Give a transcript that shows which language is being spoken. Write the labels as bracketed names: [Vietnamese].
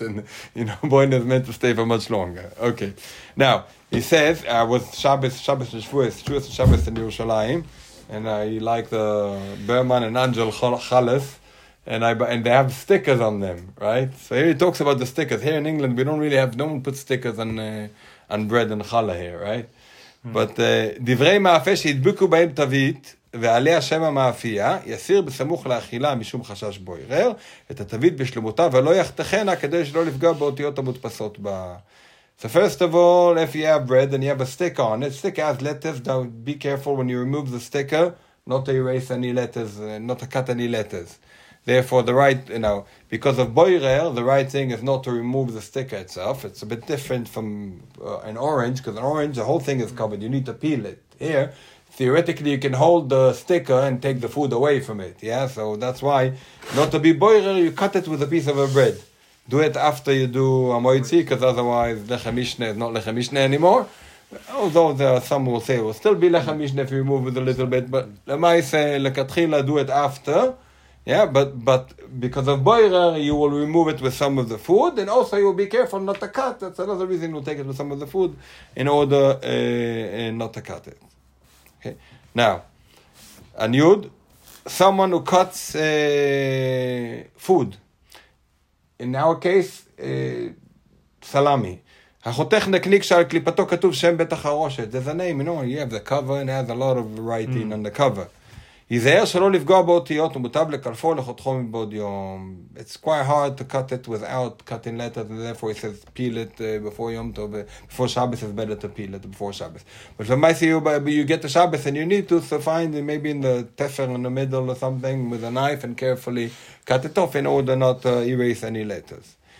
[English] And you know, boine is meant to stay for much longer. Okay. Now he says, "I was Shabbos and Shavuos, Shavuos and Shabbos in Yerushalayim, and I like the Berman and Angel Chalas, and they have stickers on them, right? So here he talks about the stickers. Here in England, we don't really have. No one puts stickers on bread and challah here, right? [Hebrew] But דברי מאפה שהדבקו בהם תווית ועליה שם המאפייה יסיר בסמוך לאכילה משום חשש בו ירר את התווית בשלמותה ולא יחתכנה כדי שלא לפגע באותיות המודפסות בה. [English] So first of all, if you have bread and you have a sticker on it, sticker has letters, don't be careful when you remove the sticker, not to erase any letters, not to cut any letters. Therefore, the right, you know, because of boirer, the right thing is not to remove the sticker itself. It's a bit different from an orange, because an orange, the whole thing is covered. You need to peel it. Here, theoretically, you can hold the sticker and take the food away from it. Yeah, so that's why, not to be boirer, you cut it with a piece of a bread. Do it after you do a moitzi, because otherwise, lechem mishneh is not lechem mishneh anymore. Although there are some who will say it will still be lechem mishneh if you remove it a little bit, but lemaiseh, lekatchila, do it after. Yeah, but because of boirer, you will remove it with some of the food, and also you will be careful not to cut. That's another reason you'll take it with some of the food in order not to cut it. Okay. Now, anyud, someone who cuts food. In our case, salami. [Hebrew] החותך נקניק שעל קליפתו כתוב שם בית החרושת. [English] There's a name, you know, you have the cover, and it has a lot of writing on the cover. [Hebrew] יזהר שלא לפגוע באותיות ומוטב לקלפו לחותכו מבעוד יום. [English] It's quite hard to cut it without cutting letters, and therefore he says peel it before Yom Tov, before Shabbos is better to peel it before Shabbos. But if I see you get to Shabbos and you need to, so find it maybe in the tefer in the middle or something with a knife and carefully cut it off in order not to erase any letters.